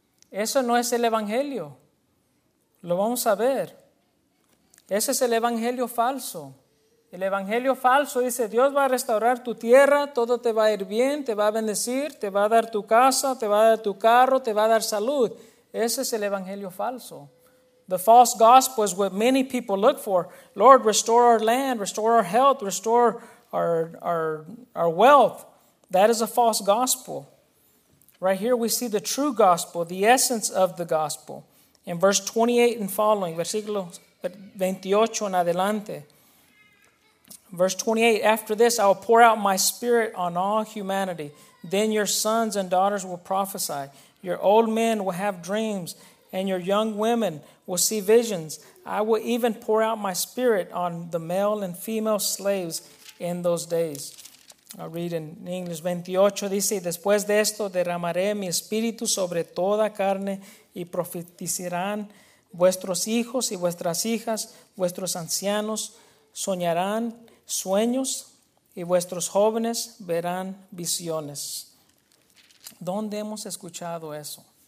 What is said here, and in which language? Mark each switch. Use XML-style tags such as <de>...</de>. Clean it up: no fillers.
<es>Eso no es el Evangelio. Lo vamos a ver. Ese es el Evangelio falso. El Evangelio falso dice, Dios va a restaurar tu tierra, todo te va a ir bien, te va a bendecir, te va a dar tu casa, te va a dar tu carro, te va a dar salud. Ese es el Evangelio falso.</es> <en>The false gospel is what many people look for. Lord, restore our land, restore our health, restore our wealth. That is a false gospel. Right here we see the true gospel, the essence of the gospel. In verse 28 and following,</en> <es>versículo 28 en adelante.</es> <en>Verse 28, after this, I will pour out my spirit on all humanity. Then your sons and daughters will prophesy. Your old men will have dreams, and your young women will see visions. I will even pour out my spirit on the male and female slaves in those days. I'll read in English.</en> <es>28 dice, después de esto derramaré mi espíritu sobre toda carne, y profetizarán vuestros hijos y vuestras hijas, vuestros ancianos soñarán sueños, y vuestros jóvenes verán visiones. ¿Dónde hemos escuchado eso?</es>